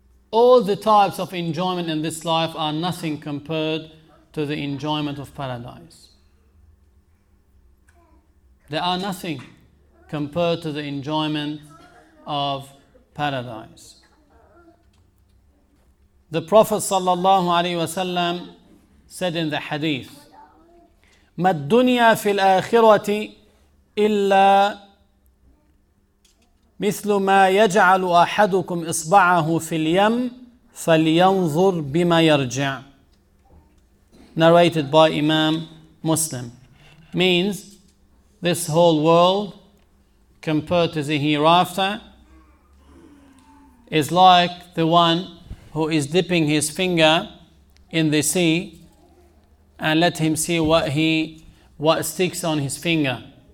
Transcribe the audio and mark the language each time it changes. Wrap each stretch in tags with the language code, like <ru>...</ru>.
<en>All the types of enjoyment in this life are nothing compared to the enjoyment of paradise. They are nothing compared to the enjoyment of paradise. The Prophet sallallahu alaihi wasallam said in the hadith,</en> <ar>مَا الدُّنْيَا فِي الْآخِرَةِ إِلَّا مِثْلُ مَا يَجْعَلُ أَحَدُكُمْ إِصْبَعَهُ فِي الْيَمْ فَلْيَنْظُرْ بِمَا يَرْجِعُ.</ar> <en>Narrated by Imam Muslim. Means, this whole world compared to the hereafter is like the one who is dipping his finger in the sea and let him see what sticks on his finger.</en>